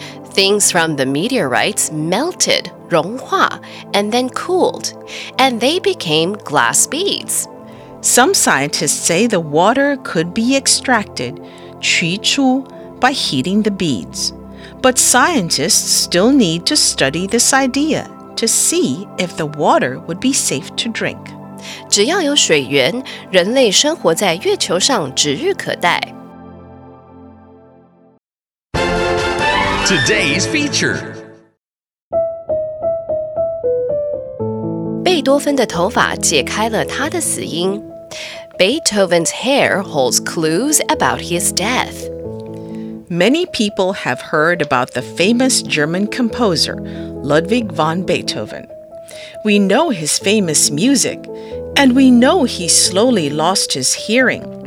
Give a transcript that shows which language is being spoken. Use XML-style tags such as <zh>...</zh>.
<en>Things from the meteorites melted, 融化, and then cooled, and they became glass beads. Some scientists say the water could be extracted, 取出, by heating the beads. But scientists still need to study this idea to see if the water would be safe to drink.</en> <zh>只要有水源，人类生活在月球上指日可待。</zh> <en>Today's feature.</en> <zh>贝多芬的头发解开了他的死因。</zh> <en>Beethoven's hair holds clues about his death. Many people have heard about the famous German composer, Ludwig van Beethoven. We know his famous music, and we know he slowly lost his hearing.</en>